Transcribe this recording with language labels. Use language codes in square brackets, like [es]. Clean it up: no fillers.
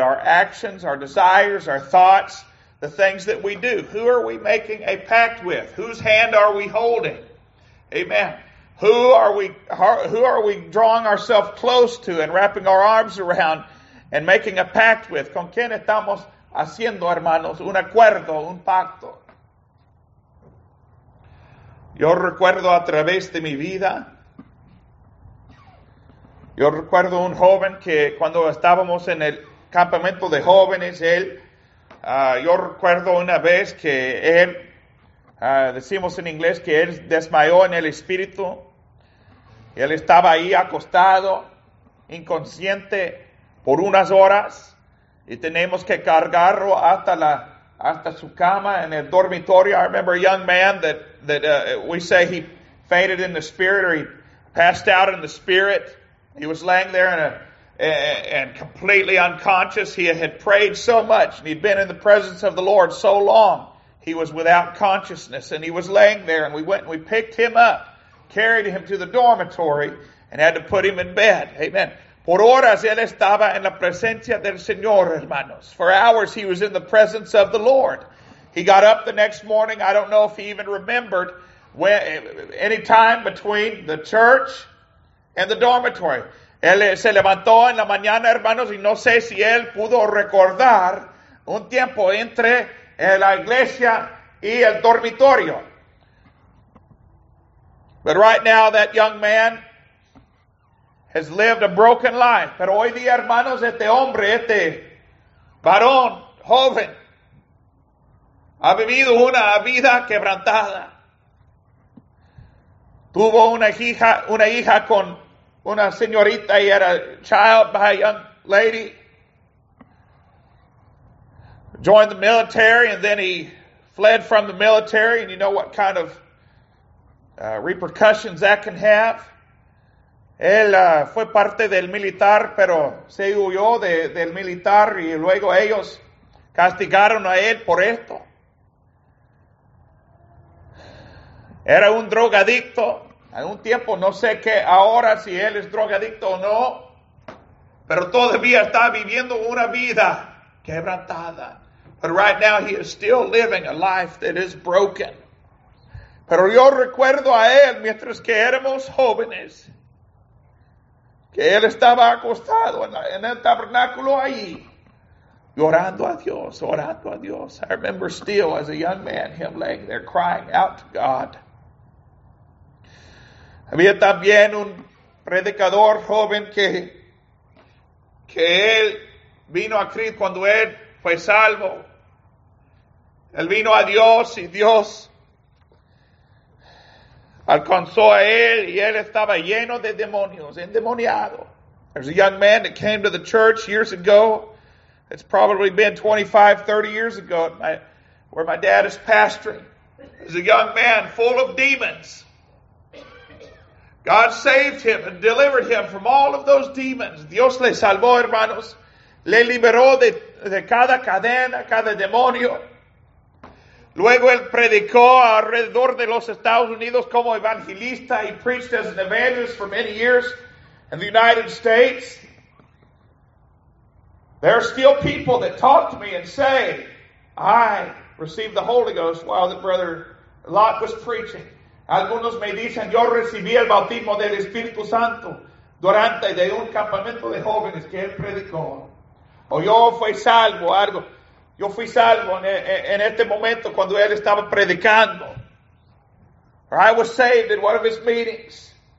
[en] Our actions, our desires, our thoughts, the things that we do. Who are we making a pact with? Whose hand are we holding? Amen. Who are we drawing ourselves close to and wrapping our arms around and making a pact with? [es] ¿Con quién estamos haciendo, hermanos, un acuerdo, un pacto? Yo recuerdo a través de mi vida, yo recuerdo un joven que cuando estábamos en el campamento de jóvenes, yo recuerdo una vez que él, decimos en inglés que él desmayó en el espíritu. Él estaba ahí acostado, inconsciente, por unas horas. Y tenemos que cargarlo hasta su cama en el dormitorio. [en] I remember a young man that we say he fainted in the spirit or he passed out in the spirit. He was laying there and completely unconscious. He had prayed so much and he'd been in the presence of the Lord so long. He was without consciousness and he was laying there and we went and we picked him up, carried him to the dormitory and had to put him in bed. Amen. [es] Por horas él estaba en la presencia del Señor, hermanos. [en] For hours he was in the presence of the Lord. He got up the next morning. I don't know if he even remembered any time between the church and the dormitory. [es] Él se levantó en la mañana, hermanos, y no sé si él pudo recordar un tiempo entre la iglesia y el dormitorio. [en] But right now that young man has lived a broken life. [es] Pero hoy día, hermanos, este hombre, este varón, joven, ha vivido una vida quebrantada. Tuvo una hija con una señorita y era [en] child by a young lady. Joined the military and then he fled from the military. And you know what kind of repercussions that can have. [es] Él fue parte del militar, pero se huyó del militar y luego ellos castigaron a él por esto. Era un drogadicto. En un tiempo, no sé qué ahora, si él es drogadicto o no, pero todavía está viviendo una vida quebrantada. [en] But right now he is still living a life that is broken. [es] Pero yo recuerdo a él mientras que éramos jóvenes, que él estaba acostado en el tabernáculo ahí, llorando a Dios, orando a Dios. [en] I remember still as a young man, him laying there crying out to God. [es] Había también un predicador joven que él vino a Cristo cuando él fue salvo. Él vino a Dios y Dios alcanzó a él y él estaba lleno de demonios, endemoniado. [en] There's a young man that came to the church years ago. It's probably been 25, 30 years ago where my dad is pastoring. There's a young man full of demons. God saved him and delivered him from all of those demons. [es] Dios le salvó, hermanos. Le liberó de cada cadena, cada demonio. Luego él predicó alrededor de los Estados Unidos como evangelista. [en] He preached as an evangelist for many years in the United States. There are still people that talk to me and say, I received the Holy Ghost while the brother Lot was preaching. [es] Algunos me dicen, yo recibí el bautismo del Espíritu Santo durante de un campamento de jóvenes que él predicó. O yo fui salvo, algo. Yo fui salvo en este momento cuando él estaba predicando. [en] Or I was saved in one of his meetings.